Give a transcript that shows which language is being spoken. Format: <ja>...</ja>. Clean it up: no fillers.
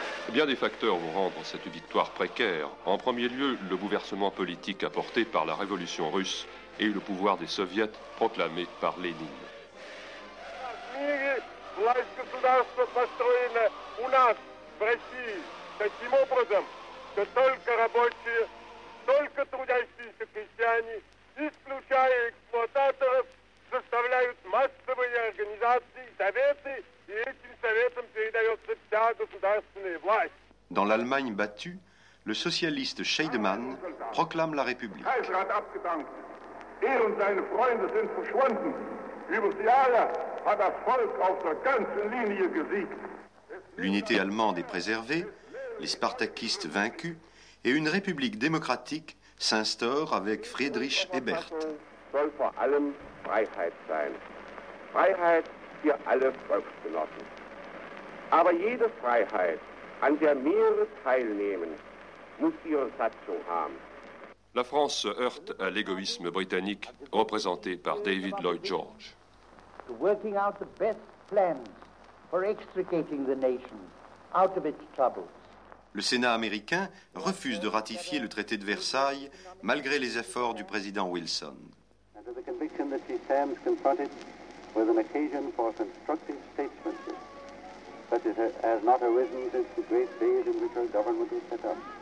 <fr>Bien des facteurs vont rendre cette victoire précaire. En premier lieu, le bouleversement politique apporté par la révolution russe et le pouvoir des soviets proclamé par Lénine.</fr> <ru>Заставляют массовые организации, советы, и этим советам передается вся государственная власть.</ru> <fr>Dans l'Allemagne battue, le socialiste Scheidemann proclame la République.</fr> <de>Kaiser hat abgedankt. Er und seine Freunde sind verschwunden. Über die Jahre hat das Volk auf der ganzen Linie gesiegt.</de> <fr>L'unité allemande est préservée, les Spartakistes vaincus, et une République démocratique s'instaure avec Friedrich Ebert.</fr> <de>Soll vor allem Freiheit sein. Freiheit für alle Volksgenossen. Aber jede Freiheit, an der mehrere teilnehmen, muss ihre Satzung haben.</de> <fr>La France se heurte à l'égoïsme britannique représenté par David Lloyd George.</fr> <en>To working out the best plans for extricating the nation out of its troubles.</en> <fr>Le Sénat américain refuse de ratifier le traité de Versailles malgré les efforts du président Wilson.</fr> <en>Under the conviction that he stands confronted with an occasion for constructive statesmanship, such as has not arisen since the great days in which our government was set up.</en>